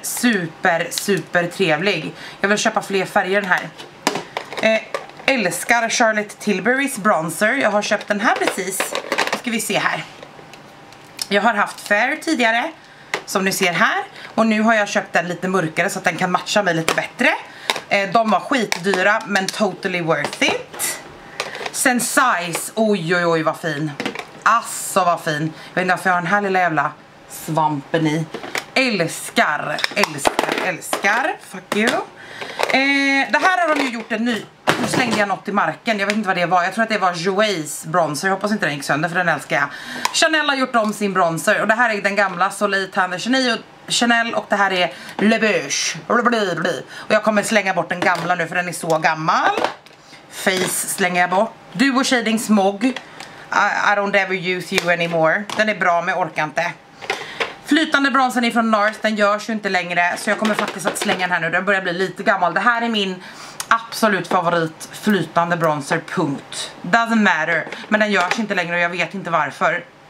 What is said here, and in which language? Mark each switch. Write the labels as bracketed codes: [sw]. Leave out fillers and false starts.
[sv] Super, super trevlig. Jag vill köpa fler färger den här. Älskar Charlotte Tilbury's bronzer. Jag har köpt den här precis. Nu ska vi se här. Jag har haft Fair tidigare. Som ni ser här. Och nu har jag köpt den lite mörkare så att den kan matcha mig lite bättre. De var skitdyra men [en] totally worth it. [sv] Sen Size. Oj oj oj vad fin. Asså vad fin. Jag vet inte varför jag har den här lilla jävla svampen i. Älskar, älskar, älskar. [en] Fuck you. [sv] Det här har de ju gjort en ny. Nu slängde jag något i marken. Jag vet inte vad det var. Jag tror att det var Jouer's bronzer. Jag hoppas inte den gick sönder för den älskar jag. Chanel har gjort om sin bronzer. Och det här är den gamla Soleil Tanner Chanel. Och det här är Le Beige. Och jag kommer slänga bort den gamla nu för den är så gammal. Face slänger jag bort. Duo Shading Smog. [en] I don't ever use you anymore. [sv] Den är bra men jag orkar inte. Flytande bronzen är från NARS. Den görs ju inte längre. Så jag kommer faktiskt att slänga den här nu. Den börjar bli lite gammal. Det här är min absolut favorit flytande bronzer, punkt. [en] Doesn't matter, [sv] men den görs inte längre och jag vet inte varför.